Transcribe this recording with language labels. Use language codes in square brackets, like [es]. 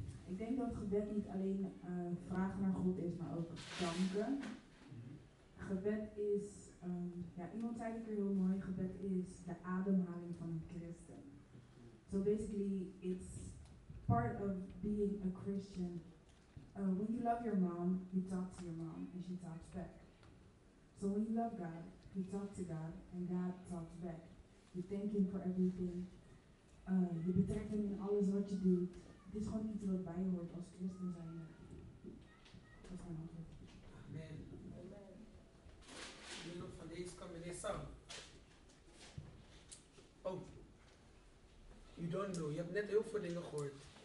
[nl] Ik denk dat gebed niet alleen vragen naar God is, maar ook danken. Gebed is, iemand zei het heel mooi, gebed is de ademhaling van een christen. [en] So basically, it's part of being a Christian. When you love your mom, you talk to your mom and she talks back. So when you love God, you talk to God and God talks back. You thank him for everything. [nl] Je betrekt hem in alles wat je doet. Het is gewoon iets wat bij je hoort als christen zijn. Dat is mijn antwoord. Amen. Amen. Nu nog van deze kan meneer Sam. [en] Oh. You don't know. [nl] Je hebt net heel veel dingen gehoord.